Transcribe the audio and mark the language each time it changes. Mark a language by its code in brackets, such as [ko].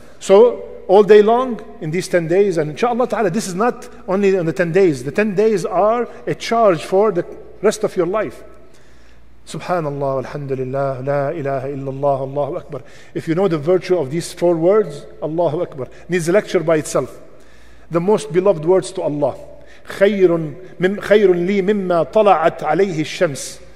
[en] So all day long in these 10 days, and inshallah ta'ala, this is not only on the 10 days. The 10 days are a charge for the rest of your life. [ar] سبحان الله والحمد لله لا إله إلا الله الله أكبر. [en] If you know the virtue of these four words, الله أكبر needs a lecture by itself. The most beloved words to Allah. [ar] خير من خير لي مما طلعت عليه الشمس.